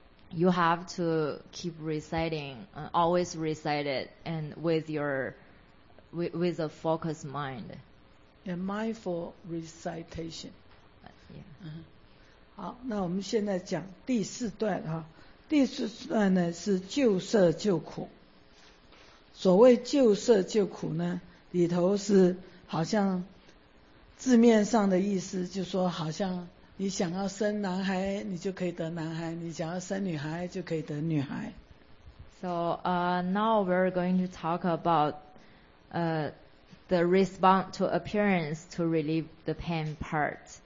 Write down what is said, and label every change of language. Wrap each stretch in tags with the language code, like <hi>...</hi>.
<en>You have to keep reciting, always recite it, and with a focused mind. And mindful recitation. Yeah. Uh-huh.</en> <zh>好，那我们现在讲第四段哈。第四段呢是救色救苦。所谓救色救苦呢，里头是好像字面上的意思，就说好像你想要生男孩，你就可以得男孩；你想要生女孩，就可以得女孩。</zh> <en>So, now we're going to talk about, the response to appearance to relieve the pain part.</en>